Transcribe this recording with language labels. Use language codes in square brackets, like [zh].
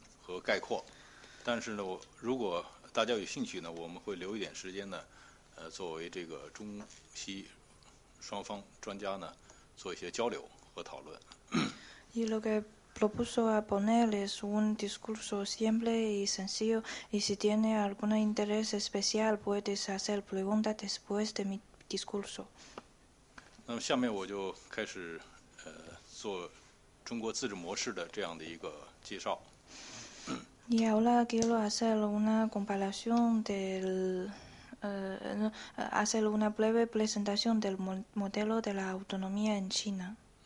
[zh] Entonces, 大家有兴趣呢，我们会留一点时间呢，作为这个中西双方专家呢，做一些交流和讨论。 [es] Y lo que propuso a poner es un discurso simple y sencillo, y si tiene algún interés especial puedes hacer preguntas después de mi discurso. [zh] 那么下面我就开始做中国自治模式的这样的一个介绍。 [es] Y ahora quiero hacer una comparación hacer una breve presentación del modelo de la autonomía en China.